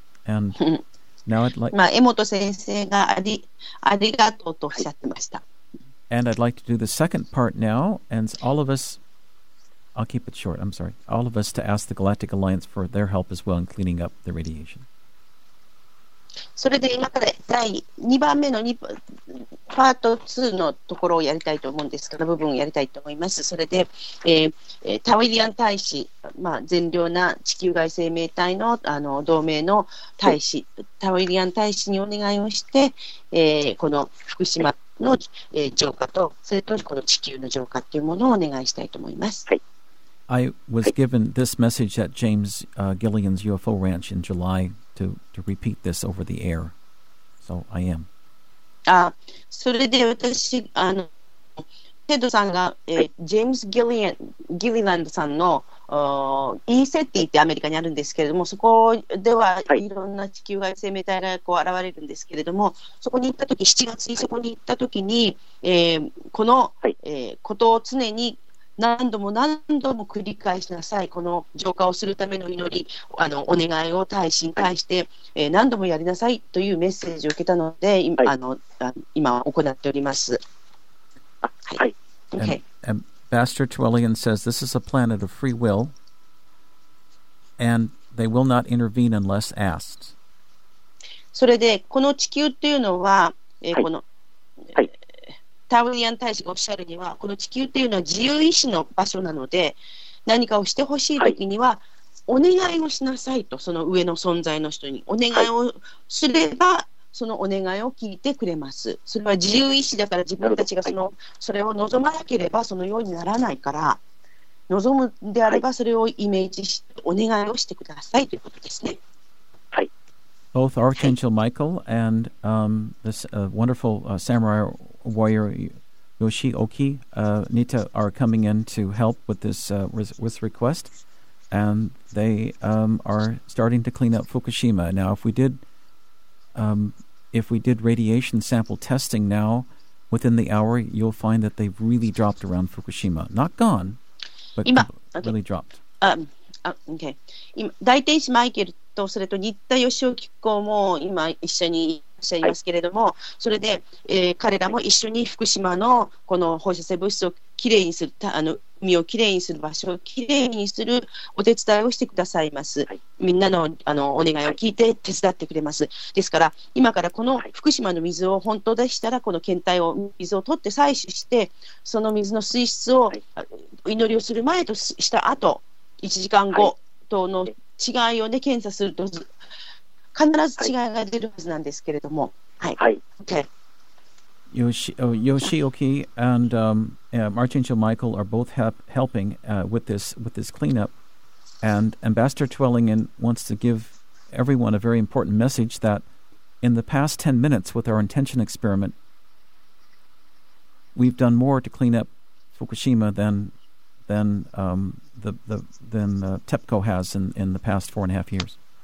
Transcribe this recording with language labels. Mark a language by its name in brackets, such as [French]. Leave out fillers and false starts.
[English] And now I'd like... [Japanese] Emoto 先生がありがとうとおっしゃってました。 [English] And I'd like to do the second part now, and all of us... I'll keep it short, I'm sorry. All of us to ask the Galactic Alliance for their help as well in cleaning up the radiation. [Japanese] それで今から第2番目の2パート2のところをやりたいと思うんですが、部分をやりたいと思います。それで、タウィリアン大使、善良な地球外生命体 の, 同盟の大使、タウィリアン大使にお願いをして、この福島の、浄化とそれとこの地球の浄化というものをお願いしたいと思います。 [English] はい、I was given this message at James Gillian's UFO Ranch in JulyTo repeat this over the air. So I am. [Japanese] それで私、テッドさんが、ジェームズ・ギリランドさんの、イーセッティってアメリカにあるんですけれども、そこではいろんな地球外生命体がこう現れるんですけれども、そこに行ったとき、7月にそこに行ったときに、この、ことを常に何度も何度も繰り返しなさい。この浄化をするための祈り、お願いを大使に対して、何度もやりなさいというメッセージを受けたので、今は行っております。はい。 [English] Ambassador Twellingen says this is a planet of free will and they will not intervene unless asked. [Japanese] それで、この地球というのは、この、タウリアン大使がおっしゃるには、この地球というのは自由意志の場所なので、何かをしてほしいときには、お願いをしなさいと、その上の存在の人に。お願いをすれば、そのお願いを聞いてくれます。それは自由意志だから、自分たちがそれを望まなければ、そのようにならないから、望むであれば、それをイメージして、お願いをしてくださいということですね。 [English] Both Archangel Michael and this wonderful samurai warrior Yoshioki Nita are coming in to help with this request. and they are starting to clean up Fukushima. Now, if we did radiation sample testing now, within the hour, you'll find that they've really dropped around Fukushima. Not gone, but really dropped. Okay. [Japanese] 今、大天使マイケルとそれと新田義雄機構も今一緒にいらっしゃいますけれども、はい、それで、彼らも一緒に福島のこの放射性物質をきれいにする、あの海をきれいにする場所をきれいにするお手伝いをしてくださいます。はい、みんなの、あのお願いを聞いて手伝ってくれます。ですから、今からこの福島の水を本当でしたら、この検体を、水を取って採取して、その水の水質を、はい、祈りをする前とした後、1時間後等の違いを、ね、検査すると必ず違いが出るはずなんですけれども、はい、はい、 [English] OK。 Yoshioki and Archangel Michael are both helping with this cleanup. And Ambassador Twellingen wants to give everyone a very important message that in the past 10 minutes with our intention experiment, we've done more to clean up Fukushima than TEPCO has in the past 4.5 years.